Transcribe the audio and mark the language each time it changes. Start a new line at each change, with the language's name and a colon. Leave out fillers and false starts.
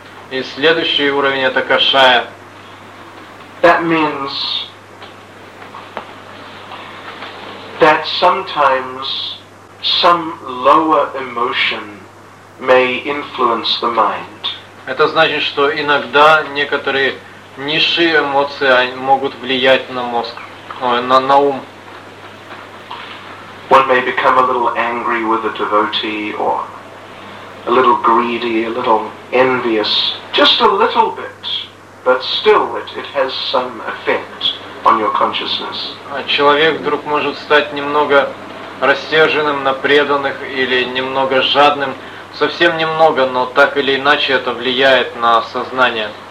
Russian: И следующий уровень это кашая.
English: That means that sometimes some lower emotion may influence the mind.
Russian: Это значит, что иногда некоторые низшие эмоции могут влиять на мозг, на ум.
English: One may become a little angry with a devotee, or a little greedy, a little envious, just a little bit, but still it has some effect on your consciousness.
Russian: Человек вдруг может стать немного рассерженным на преданных или немного жадным, совсем немного, но так или иначе это влияет на сознание.